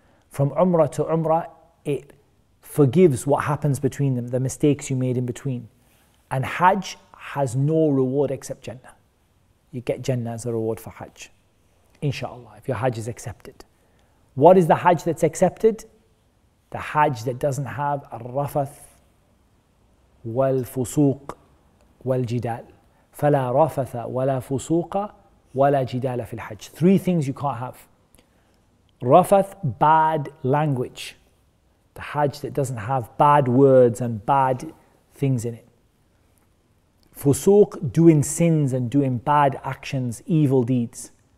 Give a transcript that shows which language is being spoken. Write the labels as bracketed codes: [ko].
[en] From umrah to umrah, it forgives what happens between them, the mistakes you made in between. And hajj has no reward except jannah. You get jannah as a reward for hajj, inshallah, if your hajj is accepted. What is the hajj that's accepted? The hajj that doesn't have al-rafath wal-fusuq [ar] والجدال فلا رفث ولا فسوق ولا جدال في الحج. [en] Three things you can't have. Rafath, bad language. The hajj that doesn't have bad words and bad things in it. Fusuq, doing sins and doing bad actions, evil deeds.